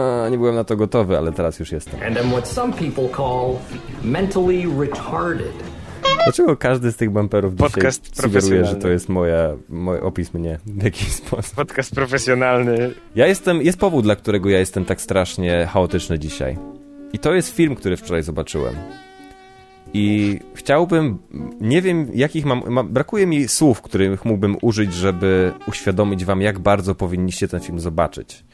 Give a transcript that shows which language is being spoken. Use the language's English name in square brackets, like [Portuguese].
[Polish] Nie byłem na to gotowy, ale teraz już jestem. [English] And I'm what some people call mentally retarded. [Polish] Dlaczego każdy z tych bumperów dzisiaj sugeruje, że to jest mój opis mnie w jakiś sposób? Podcast profesjonalny. Jest powód, dla którego ja jestem tak strasznie chaotyczny dzisiaj. I to jest film, który wczoraj zobaczyłem. I chciałbym, nie wiem jakich brakuje mi słów, których mógłbym użyć, żeby uświadomić wam, jak bardzo powinniście ten film zobaczyć.